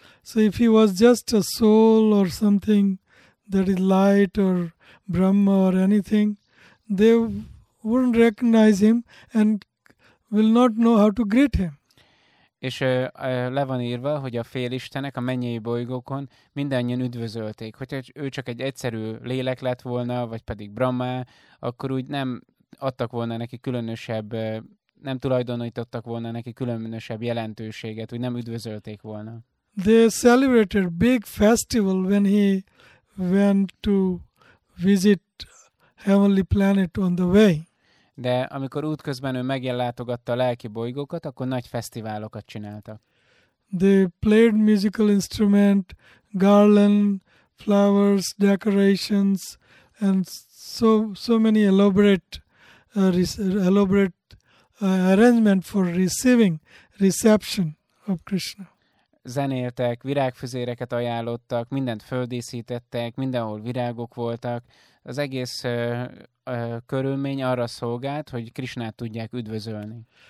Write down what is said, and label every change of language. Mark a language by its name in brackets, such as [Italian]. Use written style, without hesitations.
[English] So if he was just a soul or something that is light or Brahma or anything, they wouldn't recognize him and will not know how to greet him. [Hungarian] És le van írva, hogy a félistenek a mennyei bolygókon mindannyian üdvözölték. Hogyha ő csak egy egyszerű lélek lett volna, vagy pedig Brahma, akkor úgy nem adtak volna neki különösebb, nem tulajdonítottak volna neki különösebb jelentőséget, úgy nem üdvözölték volna. [English] They celebrated big festival when he went to visit heavenly planet on the way. [Hungarian] De amikor útközben ő meglátogatta a lelki bolygókat, akkor nagy fesztiválokat csináltak. [English] They played musical instrument, garland, flowers, decorations, and so many elaborate arrangement for reception of Krishna. [Hungarian] Zenéltek, virágfüzéreket ajánlottak, mindent földíszítettek, mindenhol virágok voltak. Az egész körülmény arra szolgált, hogy Krishnát tudják üdvözölni.